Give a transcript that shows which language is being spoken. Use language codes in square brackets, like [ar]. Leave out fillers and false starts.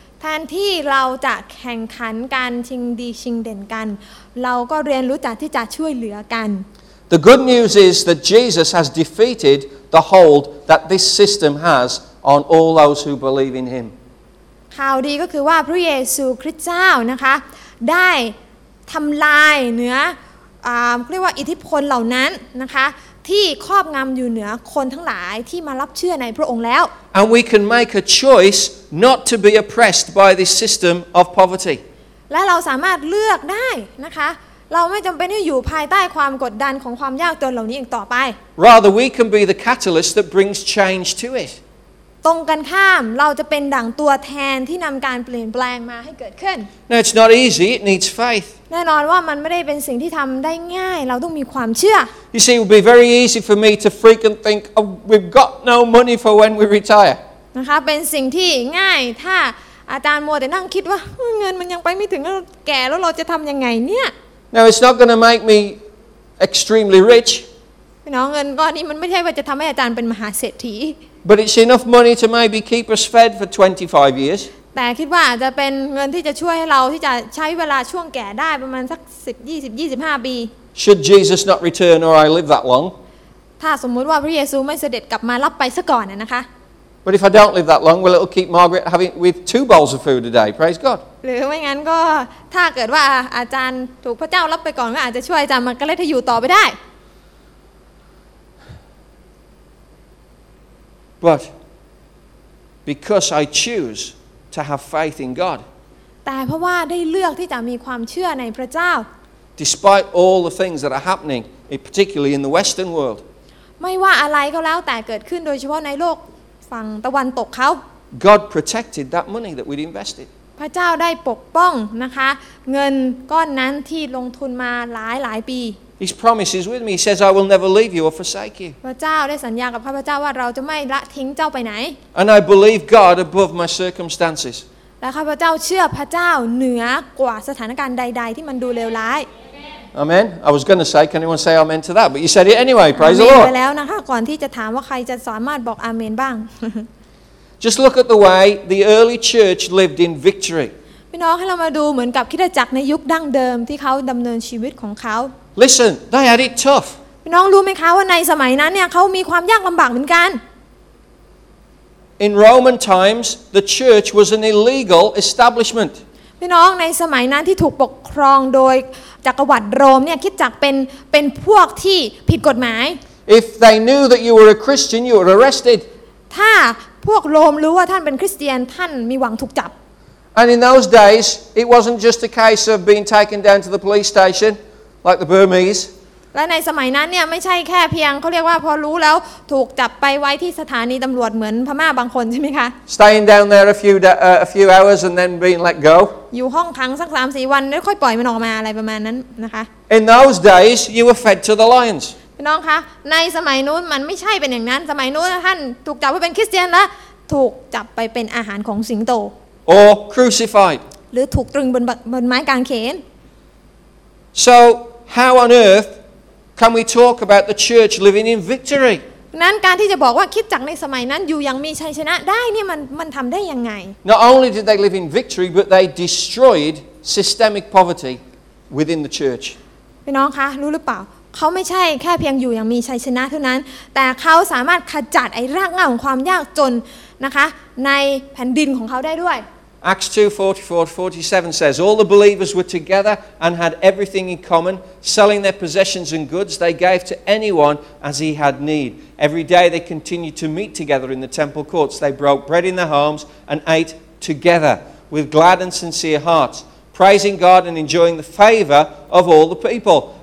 [th] แทนที่เราจะแข่งขันกันชิงดีชิงเด่นกันเราก็เรียนรู้จักที่จะช่วยเหลือกัน [en] The good news is that Jesus has defeated the hold that this system has on all those who believe in him [th] ข่าวดีก็คือว่าพระเยซูคริสต์เจ้านะคะได้ทำลายเหนือเรียกว่าอิทธิพลเหล่านั้นนะคะที่ครอบงำอยู่เหนือคนทั้งหลายที่มารับเชื่อในพระองค์แล้ว [en] And we can make a choice not to be oppressed by this system of poverty [th] และเราสามารถเลือกได้นะคะเราไม่จำเป็นที่จะอยู่ภายใต้ความกดดันของความยากจนเหล่านี้อีกต่อไป [en] Rather we can be the catalyst that brings change to it [th] ตรงกันข้ามเราจะเป็นดั่งตัวแทนที่นำการเปลี่ยนแปลงมาให้เกิดขึ้น [en] Now it's not easy it needs faith [th] แน่นอนว่ามันไม่ได้เป็นสิ่งที่ทำได้ง่ายเราต้องมีความเชื่อ [en] You see, it would be very easy for me to freak and think, oh, we've got no money for when we retire. [th] นะคะเป็นสิ่งที่ง่ายถ้าอาจารย์มัวแต่นั่งคิดว่าเงินมันยังไปไม่ถึงแล้วแก่แล้วเราจะทำยังไงเนี่ย [en] Now it's not going to make me extremely rich. [th] พี่น้องเงินก้อนนี้มันไม่ใช่ว่าจะทำให้อาจารย์เป็นมหาเศรษฐี [en] But it's enough money to maybe keep us fed for 25 years. [th] แต่คิดว่าจะเป็นเงินที่จะช่วยให้เราที่จะใช้เวลาช่วงแก่ได้ประมาณสัก10 20 25ปี [en] Should Jesus not return or I live that long [th] ถ้าสมมุติว่าพระเยซูไม่เสด็จกลับมารับไปซะก่อนนะคะ [en] But if I don't live that long will it keep Margaret having with two bowls of food a day praise God [th] หรือไม่งั้นก็ถ้าเกิดว่าอาจารย์ถูกพระเจ้ารับไปก่อนก็อาจจะช่วยอาจารย์มาก็เลยจะอยู่ต่อไปได้ [en] But because I chooseto have faith in God [th] แต่เพราะว่าได้เลือกที่จะมีความเชื่อในพระเจ้า [en] Despite all the things that are happening particularly in the western world [th] ไม่ว่าอะไรก็แล้วแต่เกิดขึ้นโดยเฉพาะในโลกฝั่งตะวันตกเขา [en] God protected that money that we'd invested [th] พระเจ้าได้ปกป้องนะคะเงินก้อนนั้นที่ลงทุนมาหลายปี [en] His promise is with me he says I will never leave you or forsake you [th] พระเจ้าได้สัญญากับข้าพเจ้าว่าเราจะไม่ละทิ้งเจ้าไปไหน [en] And I believe God above my circumstances [th] และข้าพเจ้าเชื่อพระเจ้าเหนือกว่าสถานการณ์ใดๆที่มันดูเลวร้าย [en] Amen I was going to say can anyone say amen to that but you said it anyway praise the Lord [th] ไปแล้วนะคะก่อนที่จะถามว่าใครจะสามารถบอกอาเมนบ้าง [en] Just look at the way the early church lived in victory [th] พี่น้องให้เรามาดูเหมือนกับคริสตจักรในยุคดั้งเดิมที่เขาดำเนินชีวิตของเขา [en] Listen, they had it tough. [th] พี่น้องรู้ไหมคะว่าในสมัยนั้นเนี่ยเขามีความยากลำบากเหมือนกัน [en] In Roman times, the church was an illegal establishment. [th] พี่น้องในสมัยนั้นที่ถูกปกครองโดยจักรวรรดิโรมเนี่ยคิดจักเป็นพวกที่ผิดกฎหมาย [en] If they knew that you were a Christian you were arrested [th] ถ้าพวกโรมรู้ว่าท่านเป็นคริสเตียนท่านมีหวังถูกจับ [en] And in those days it wasn't just a case of being taken down to the police station like the Burmese [th] และในสมัยนั้นเนี่ยไม่ใช่แค่เพียงเขาเรียกว่าพอรู้แล้วถูกจับไปไว้ที่สถานีตำรวจเหมือนพม่าบางคนใช่ไหมคะ [en] Staying down there a few hours and then being let go [th] อยู่ห้องขังสัก 3-4 วันแล้วค่อยปล่อยมันออกมาอะไรประมาณนั้นนะคะ [en] In those days you were fed to the lions [th] พี่น้องคะในสมัยนู้นมันไม่ใช่เป็นอย่างนั้นสมัยนู้นท่านถูกจับว่าเป็นคริสเตียนแล้วถูกจับไปเป็นอาหารของสิงโต [en] Or crucified [th] หรือถูกตรึงบนไม้กางเขน [en] So how on earthCan we talk about the church living in victory? [th] นั้นการที่จะบอกว่าคริสตจักรในสมัยนั้นอยู่ยังมีชัยชนะได้นี่มันทำได้ยังไง [en] Not only did they live in victory, but they destroyed systemic poverty within the church. [th] พี่น้องคะรู้หรือเปล่าเขาไม่ใช่แค่เพียงอยู่ยังมีชัยชนะเท่านั้นแต่เขาสามารถขจัดไอ้รากเหง้าของความยากจนนะคะในแผ่นดินของเขาได้ด้วย [en] Acts 2:44-47 says, All the believers were together and had everything in common, selling their possessions and goods they gave to anyone as he had need. Every day they continued to meet together in the temple courts. They broke bread in their homes and ate together with glad and sincere hearts, praising God and enjoying the favor of all the people.